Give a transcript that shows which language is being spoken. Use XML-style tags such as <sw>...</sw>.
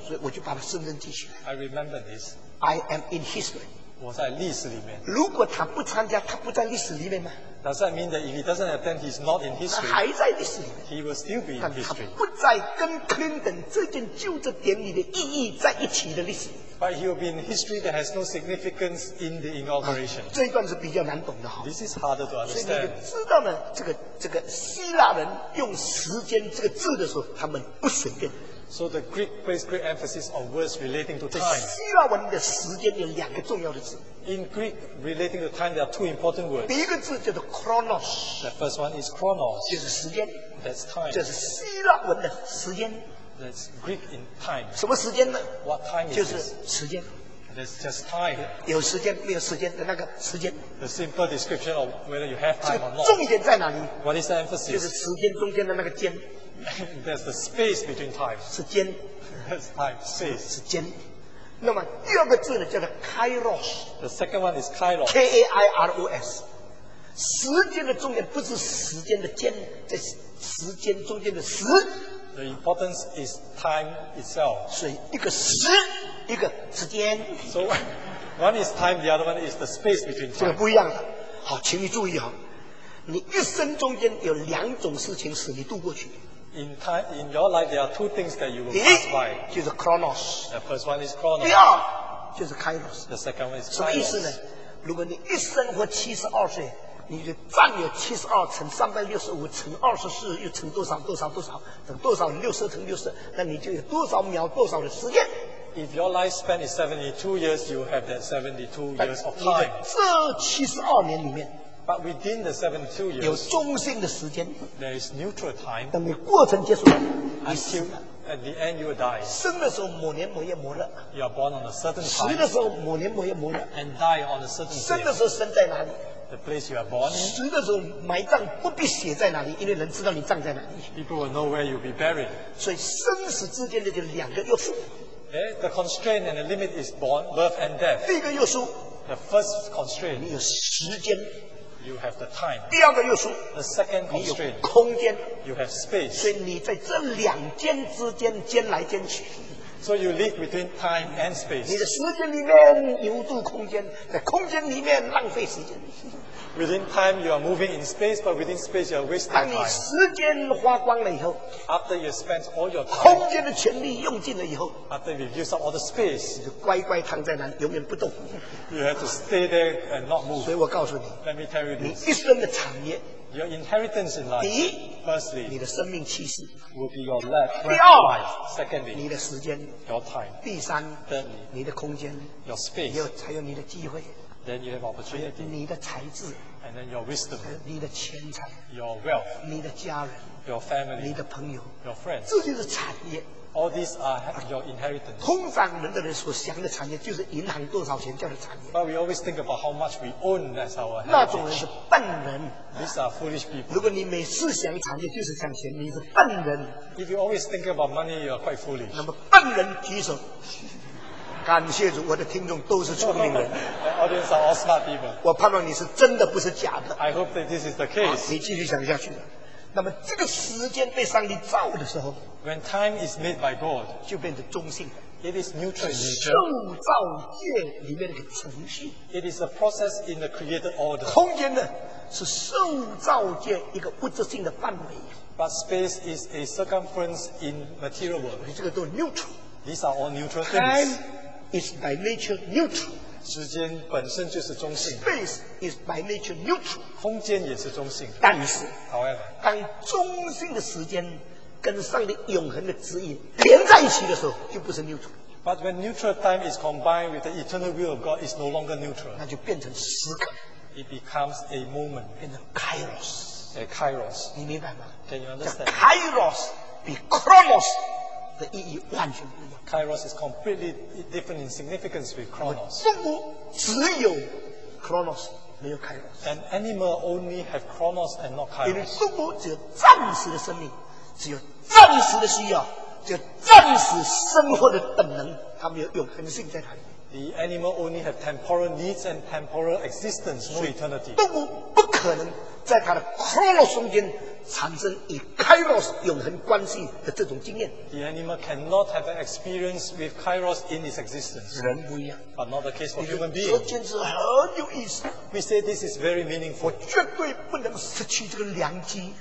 <zh>所以我就把它深深记起来。</zh> <en>I remember this. I am in history.</en> <zh>我在历史里面。如果他不参加，他不在历史里面吗？</zh> <en>Does that mean that if he doesn't attend, he's not in history?</en> <zh>他还在历史里面。</zh> <en>He will still be in history.</en> <zh>他不在跟 Clinton 这件就职典礼的意义在一起的历史。</zh> <en>But he will be in history that has no significance in the inauguration.</en> <zh>这一段是比较难懂的。</zh> <en>This is harder to understand.</en> <zh>所以你就知道呢，这个希腊人用时间这个字的时候，他们不随便。</zh> <en>So the Greek place great emphasis on words relating to time.</en> <zh>在希腊文的时间有两个重要的字。</zh> <en>In Greek relating to time, there are two important words.</en> <zh>第一个字叫做 chronos.</zh> <en>The first one is chronos.</en> <zh>就是时间。</zh> <en>That's time.</en> <zh>这是希腊文的时间。</zh> <en>That's Greek in time.</en> <zh>什么时间呢？</zh> <en>What time is</en> <zh>就是时间。</zh> <en>That's just time.</en> <zh>有时间没有时间的那个时间。</zh> <en>The simple description of whether you have time or not.</en> <zh>重点在哪里？</zh> <en>What is the emphasis?</en> <zh>就是时间中间的那个间。</zh> <en>There's the space between time.</en> <zh>时间。</zh> <en>That's time, space.</en> <zh>时间。那么第二个字呢，叫做 kairos.</zh> <en>The second one is kairos. K-A-I-R-O-S.</en> <zh>时间的重点不是时间的间，在时间中间的时。</zh> <en>The importance is time itself.</en> <zh>所以一个时，一个时间。</zh> <en>So one is time, the other one is the space between time.</en> <zh>这个不一样的。好，请你注意哦，你一生中间有两种事情使你度过去。</zh> <en>In time, in your life, there are two things that you will pass by.</en> <zh>第一就是 chronos.</zh> <en>The first one is chronos.</en> <zh>第二就是 kairos.</zh> <en>The second one is kairos.</en> <zh>什么意思呢？如果你一生活七十二岁。你就占有七十二乘三百六十五乘二十四又乘多少多少多少等多少六十乘六十，那你就有多少秒多少的时间。</zh> <en>If your life span is 72 years, you have that 72 years of time.</en> <zh>这七十二年里面</zh> <en>，But within the 72 years,</en> <zh>有中性的时间。</zh> <en>There is neutral time.</en> <zh>等你过程结束了，你死了。</zh> <en>At the end, you will die.</en> <zh>生的时候某年某月某日。</zh> <en>You are born on a certain time.</en> <zh>死的时候某年某月某日。</zh> <en>And die on a certain time.</en> <zh>生的时候生在哪里？</zh> <en>The place you are born in.</en> <zh>死的时候埋葬不必写在哪里，因为人知道你葬在哪里。</zh> <en>People will know where you'll be buried.</en> <zh>所以生死之间的就两个约束。</zh> <en>The constraint and the limit is born, birth and death.</en> <zh>第一个约束。</zh> <en>The first constraint.</en> <zh>你有时间。</zh> <en>You have the time.</en> <zh>第二个约束。</zh> <en>The second constraint.</en> <zh>你有空间。</zh> <en>You have space.</en> <zh>所以你在这两间之间间来间去。</zh> <en>So you live between time and space.</en> <zh>你的时间里面游渡空间，在空间里面浪费时间。</zh> <en>Within time you are moving in space, but within space you are wasting time.</en> <zh>当你时间花光了以后</zh> <en>，After you spend all your time,</en> <zh>空间的权力用尽了以后</zh> <en>，After you use up all the space,</en> <zh>你就乖乖躺在那里，永远不动。</zh> <en>You have to stay there and not move.</en> <zh>所以我告诉你</zh> <en>，Let me tell you this.</en> <zh>你一生的产业</zh> <en>，Your inheritance in life.</en> <zh>第一</zh> <en>，Firstly,</en> <zh>你的生命气息</zh> <en>will be your life.</en> <zh>第二</zh> <en>，Secondly,</en> <zh>你的时间</zh> <en>，Your time.</en> <zh>第三</zh> <en>，Thirdly,</en> <zh>你的空间</zh> <en>，Your space.</en> <zh>还有你的机会。</zh> <en>Then you have opportunity.</en> <zh>你的才智</zh> <en>，and then your wisdom.</en> <zh>你的钱财</zh> <en>，your wealth.</en> <zh>你的家人</zh> <en>，your family.</en> <zh>你的朋友</zh> <en>，your friends.</en> <zh>这就是产业。</zh> <en>All these are your inheritance.</en> <zh>通常人的人所想的产业就是银行多少钱叫做产业。</zh> <en>But we always think about how much we own as our heritage.</en> <zh>那种人是笨人。</zh> <en>These are foolish people.</en> <zh>如果你每次想产业就是想钱，你是笨人。</zh> <en>If you always think about money, you are quite foolish.</en> <zh>那么笨人举手。感谢主，我的听众都是聪明人。</zh> <en>Audience are all smart people.</en> <zh>我盼望你是真的，不是假的。</zh> <en>I hope that this is the case.</en> <zh>你继续想下去。那么这个时间被上帝造的时候</zh> <en>，When time is made by God,</en> <zh>就变成中性。</zh> <en>It is neutral.</en> <zh>受造界里面的一个程序。</zh> <en>It is a process in the created order.</en> <zh>空间呢，是受造界一个物质性的范围。</zh> <en>But space is a circumference in material world.</en> <zh>你这个都 neutral.</zh> <en>These are all neutral things. Is by nature neutral.</en> <zh>时间本身就是中性。</zh> <en>Space is by nature neutral.</en> <zh>空间也是中性。但是</zh> <en>，However，</en> <zh>当中性的时间跟上帝永恒的旨意连在一起的时候，就不是 neutral。</zh> <en>But when neutral time is combined with the eternal will of God, it's no longer neutral.</en> <zh>那就变成时刻。</zh> <en>It becomes a moment.</en> <zh>变成 kairos.</zh> <en>A kairos.</en> <zh>你明白吗</zh> <en>？Can you understand?</en> <zh>Kairos be chronos 的意义完全不一样。</zh> <en>Kairos is completely different in significance with Chronos.</en> <zh>动物只有 Chronos， 没有 Kairos.</zh> <en>An animal only have Chronos and not Kairos.</en> <zh>因为动物只有暂时的生命，只有暂时的需要，只有暂时生活的本能，它没有永恒性在哪里。</zh> <en>The animal only have temporal needs and temporal existence, no eternity.</en> <zh>动物不可能在它的 Chronos 中间产生以 Kairos 永恒关系的这种经验。</zh> <en>The animal cannot have an experience with Kairos in its existence.</en> <zh>人不一样。</zh> <en>But not the case for human beings.</en> <zh>这件事很有意思。</zh> <en>We say this is very meaningful.</en> <zh>我绝对不能失去这个良机。</zh>